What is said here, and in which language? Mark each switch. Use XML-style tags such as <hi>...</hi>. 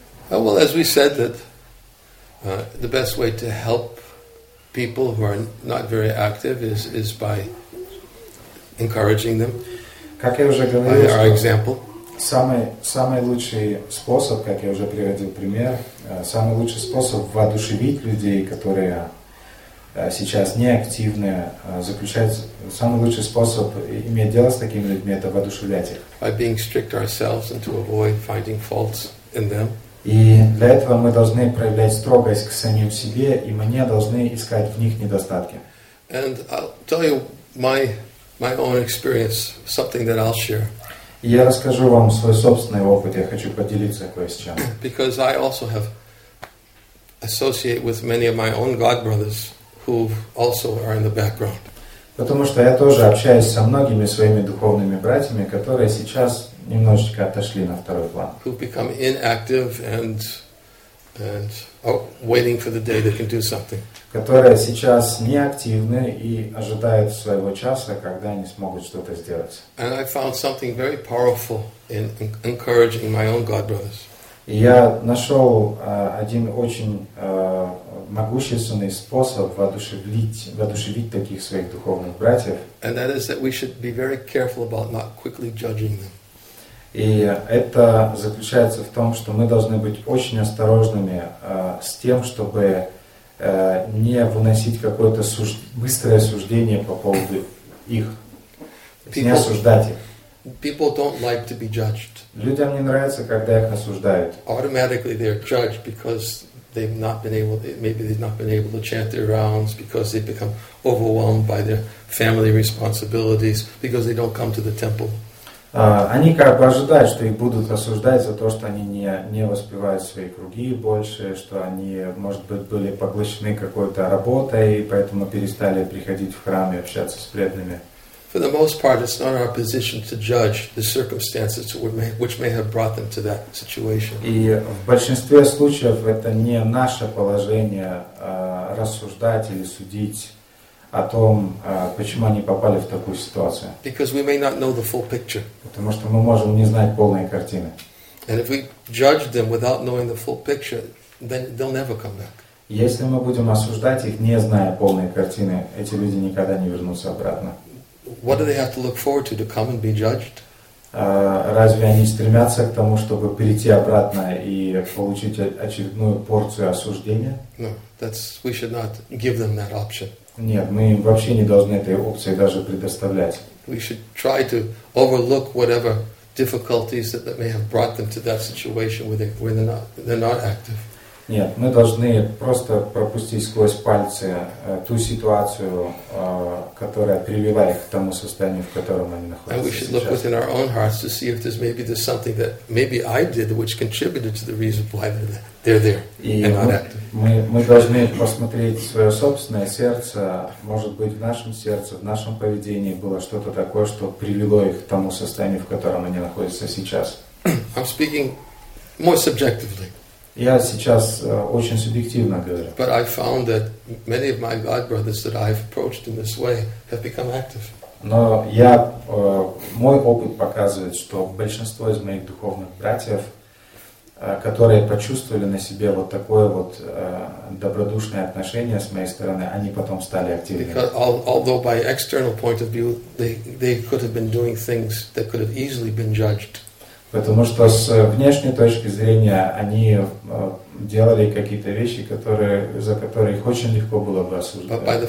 <en>Well, as we said, that the best way to help people who are not very active is by encouraging them.</en> <ru>Как я уже говорил,</ru> <en>our example.</en> <ru>Самый лучший способ, как я уже приводил пример, самый лучший способ воодушевить людей, которые сейчас неактивны, заключается, самый лучший способ иметь дело с такими людьми, это воодушевлять их.</ru> <en>By being strict ourselves and to avoid finding faults in them.</en> <ru>И для этого мы должны проявлять строгость к самим себе, и мы не должны искать в них недостатки.</ru> <en>And I'll tell you my own experience, something that I'll share.</en> <ru>Я расскажу вам свой собственный опыт, я хочу поделиться кое с чем.</ru> <en>Because I also have associate with many of my own god brothers who also are in the background.</en> <ru>Потому что я тоже общаюсь со многими своими духовными братьями, которые сейчас немножечко отошли на второй план.</ru> <en>Who become inactive and waiting for the day they can do something.</en> <ru>Которые сейчас неактивны и ожидают своего часа, когда они смогут что-то сделать.</ru> <en>And I found something very powerful in encouraging my own god brothers.</en> <ru>Я нашел один очень могущественный способ воодушевить таких своих духовных братьев.</ru> <en>And that is that we should be very careful about not quickly judging them.</en> <ru>И это заключается в том, что мы должны быть очень осторожными с тем, чтобы не выносить какое-то быстрое суждение по поводу их, не осуждать их.</ru> <en>People don't like to be judged.</en> <ru>Людям не нравится, когда их осуждают.</ru> <en>Automatically they're judged because they've not been able, maybe they've not been able to chant their rounds, because they become overwhelmed by their family responsibilities, because they don't come to the temple.</en> <ru>Они как бы ожидают, что их будут осуждать за то, что они не воспевают свои круги больше, что они, может быть, были поглощены какой-то работой, и поэтому перестали приходить в храм и общаться с преданными.</ru> <en>For the most part, it's not our position to judge the circumstances which may have brought them to that situation.</en> <ru>И в большинстве случаев это не наше положение рассуждать или судить о том, почему они попали в такую ситуацию.</ru> <en>Because we may not know the full picture.</en> <ru>Потому что мы можем не знать полной картины.</ru> <en>And if we judge them without knowing the full picture, then they'll never come back.</en> <ru>Если мы будем осуждать их, не зная полной картины, эти люди никогда не вернутся обратно.</ru> <en>What do they have to look forward to come and be judged?</en> <ru>Разве они стремятся к тому, чтобы прийти обратно и получить очередную порцию осуждения?</ru> <en>No, we should not give them that option.</en> <ru>Нет, мы им вообще не должны этой опции даже предоставлять.</ru> <en>We should try to overlook whatever difficulties that may have brought them to that situation where they're not active.</en> <ru>Нет, мы должны просто пропустить сквозь пальцы ту ситуацию, которая привела их к тому состоянию, в котором они находятся.</ru> <en>And we should look within our own hearts to see if there's maybe there's something that maybe I did which contributed to the reason why they're there.</en> <ru>Мы должны посмотреть свое собственное сердце. Может быть, в нашем сердце, в нашем поведении было что-то такое, что привело их к тому состоянию, в котором они находятся сейчас.</ru> <en>I'm speaking more subjectively.</en> <ru>Я сейчас очень субъективно говорю.</ru> <en>But I found that many of my God brothers that I've approached in this way have become active.</en> <ru>Но я мой опыт показывает, что большинство из моих духовных братьев, которые почувствовали на себе вот такое вот добродушное отношение с моей стороны, они потом стали активными.</ru> <en>Because although by external point of view they could have been doing things that could have easily been judged.</en> <ru>Потому что с внешней точки зрения они делали какие-то вещи, которые, за которые их очень легко было бы осуждать.</ru>